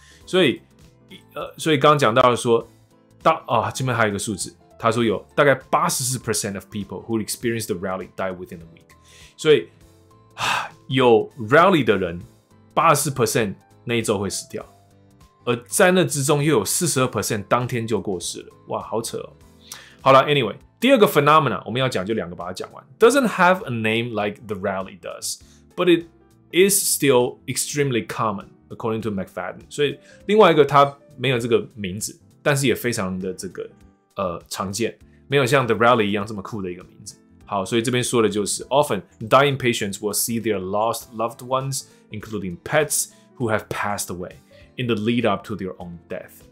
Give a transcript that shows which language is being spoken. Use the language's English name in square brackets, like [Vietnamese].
[Chinese] 所以，所以刚刚讲到说，当啊、哦，这边还有一个数字，他说有大概 [English] 84% of people who experienced the rally die within a week。 [Chinese] 所以有 rally 的人 ,80% 那一周会死掉。而在那之中又有 42% 当天就过世了。哇，好扯哦。好啦 ,anyway, 第二个 phenomena, 我们要讲就两个把它讲完。 [English] Doesn't have a name like the rally does, but it is still extremely common, according to McFadden. [Chinese] 所以另外一个它没有这个名字，但是也非常的这个常见。没有像 the rally 一样这么酷的一个名字。好，所以这边说的就是 [English] ，often dying patients will see their lost loved ones, including pets who have passed away, in the lead up to their own death。